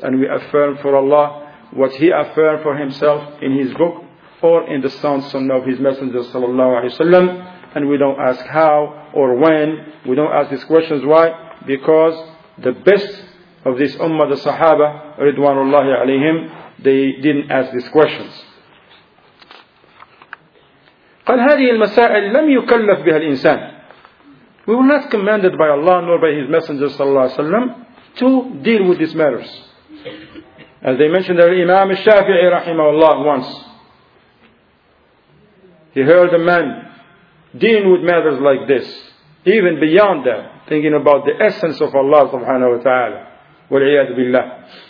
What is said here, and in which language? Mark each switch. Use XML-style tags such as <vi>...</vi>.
<en>And we affirm for Allah what he affirmed for himself in his book or in the sunnah of his messenger, sallallahu alayhi wa sallam. And we don't ask how or when. We don't ask these questions. Why? Because the best of this ummah, the sahaba, ridwanullahi alayhim, they didn't ask these questions.</en> <ar>قال هذه المسائل لم يكلف بها الإنسان.</ar> <en>We were not commanded by Allah nor by His Messenger</en> <ar>صلى الله عليه وسلم</ar> <en>to deal with these matters. As they mentioned, the Imam الشافعي</en> <ar>رحمه الله</ar> <en>once, he heard a man dealing with matters like this, even beyond that, thinking about the essence of Allah subhanahu wa ta'ala,</en> <ar>والعياذ بالله.</ar>